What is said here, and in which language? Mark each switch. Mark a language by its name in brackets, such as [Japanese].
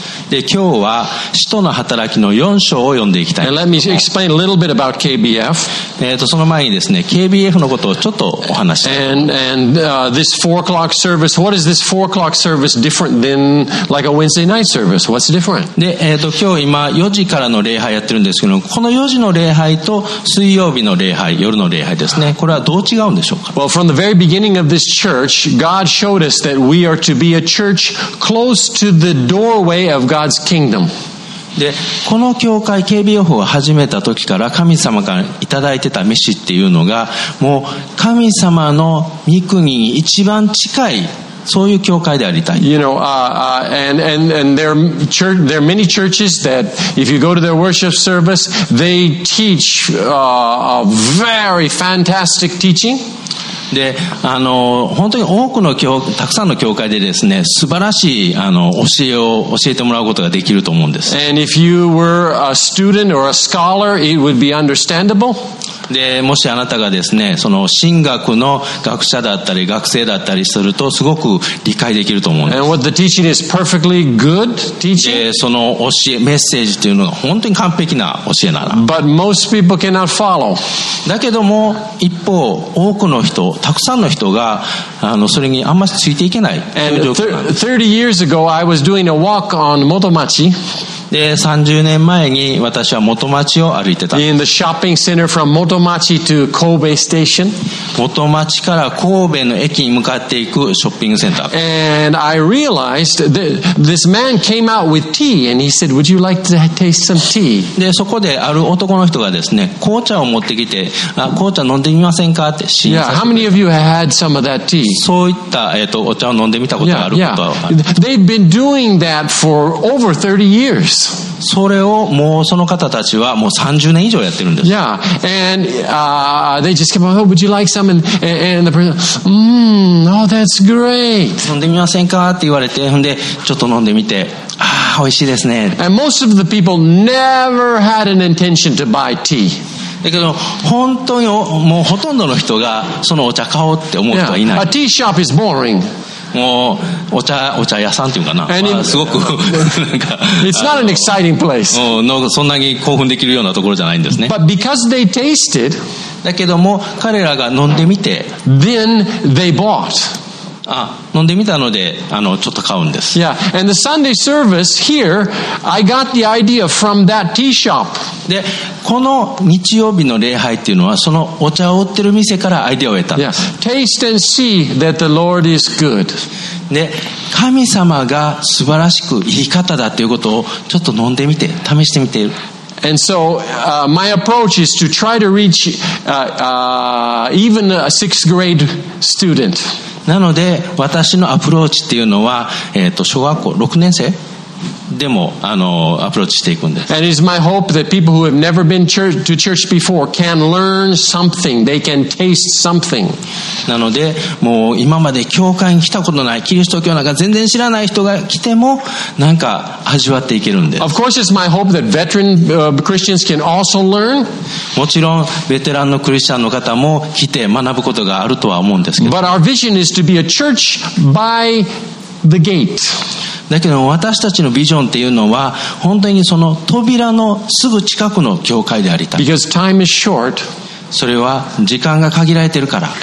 [Japanese] で、今日は使徒の働きの4章を読んでいきたい。 [English] And let me explain a little bit about KBF. [Japanese] その前にですね、KBF のことをちょっとお話ししたい。 [English] This 4 o'clock service, what is this 4 o'clock service different than like a Wednesday night service? What's different? [Japanese] で、今日今4時からの礼拝やってるんですけど、この4時の礼拝と水曜日の礼拝、夜の礼拝ですね、これはどう違うんでしょうか。 [English] Well, from the very beginning of this church, God showed us that we are to be a church close to the doorway of God's kingdom. [Japanese] で、この教会 KBF を始めた時から神様からいただいてた召しっていうのが、もう神様の御国に一番近い、そういう教会でありたい。 [English] You know, there are many churches that if you go to their worship service, they teach a very fantastic teaching. [Japanese] で、本当に多くの教、たくさんの教会でですね、素晴らしい教えを教えてもらうことができると思うんです。 [English] And if you were a student or a scholar, it would be understandable. [Japanese] で、もしあなたがですね、その神学の学者だったり学生だったりすると、すごく理解できると思うんです。 [English] And what the teaching is perfectly good teaching. [Japanese] その教え、メッセージというのが本当に完璧な教えなら。 [English] But most people cannot follow. [Japanese] だけども、一方、多くの人、たくさんの人が、それにあんまりついていけない。 [English] And 30 years ago, I was doing a walk on Motomachi. [Japanese] で、30年前に私は元町を歩いてた。 [English] In the shopping center from Motomachi to Kobe Station. [Japanese] 元町から神戸の駅に向かっていくショッピングセンター。 [English] And I realized that this man came out with tea and he said, would you like to taste some tea? [Japanese] で、そこである男の人がですね、紅茶を持ってきて、あ、紅茶飲んでみませんかって試飲させて。 [English] Yeah, how many of you have had some of that tea? [Japanese] そういった、お茶を飲んでみたことがあることは。 [English] They've been doing that for over 30 years. [Japanese] です。それをもうその方たちはもう30年以上やってるんです。 [English] Yeah, and they just came up, would you like some? And the person, oh, that's great. [Japanese] 飲んでみませんかって言われて、ほんでちょっと飲んでみて、ああ、美味しいですね。 [English] And most of the people never had an intention to buy tea. [Japanese] だけど本当にもうほとんどの人がそのお茶買おうって思う人はいない。 [English] Yeah, a tea shop is boring. [Japanese] もうお茶屋さんっていうかな。 And、すごく [English] It's not an exciting place. [Japanese] そんなに興奮できるようなところじゃないんですね。 [English] But because they tasted, [Japanese] だけども彼らが飲んでみて、 [English] then they bought. [Japanese] あ、飲んでみたのでちょっと買うんです。 [English] Yeah, and the Sunday service here, I got the idea from that tea shop. [Japanese] でこの日曜日の礼拝っていうのはそのお茶を売ってる店からアイデアを得たんです。 [English] Yes. Taste and see that the Lord is good. [Japanese] で神様が素晴らしくいい方だっていうことをちょっと飲んでみて試してみている。 [English] And so, my approach is to try to reach, even a sixth grade student. [Japanese] なので私のアプローチっていうのは、小学校6年生でもアプローチしていくんです。 [English] And it's my hope that people who have never been to church before can learn something, they can taste something. [Japanese] なのでもう今まで教会に来たことないキリスト教なんか全然知らない人が来てもなんか味わっていけるんです。 [English] Of course it's my hope that veteran Christians can also learn. [Japanese] もちろんベテランのクリスチャンの方も来て学ぶことがあるとは思うんですけど。 [English] But our vision is to be a church by the gate. [Japanese] だけど私たちのビジョンっていうのは本当にその扉のすぐ近くの教会でありたい。 [English] Because time is short. [Japanese] それは時間が限られてるから。